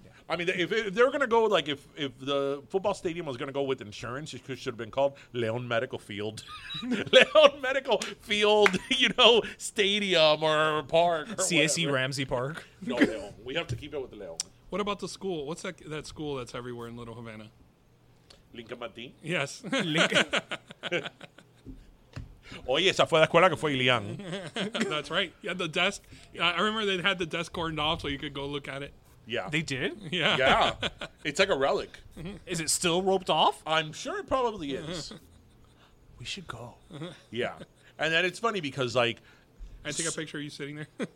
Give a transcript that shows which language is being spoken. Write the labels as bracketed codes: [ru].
[en] I mean, if they were going to go, like, if the football stadium was going to go with insurance, it should have been called Leon Medical Field. Leon Medical Field, stadium or park. Or CAC whatever. Ramsey Park. No, Leon. We have to keep it with Leon. What about the school? What's that school that's everywhere in Little Havana? Lincoln Martin? Yes. [es] Oye, esa fue la escuela que fue Ilian. [en] That's right. Yeah, the desk. I remember they had the desk cordoned off so you could go look at it. Yeah. They did? Yeah. Yeah. It's like a relic. Is it still roped off? I'm sure it probably is. We should go. Yeah. And then it's funny because, like, I take a picture of you sitting there.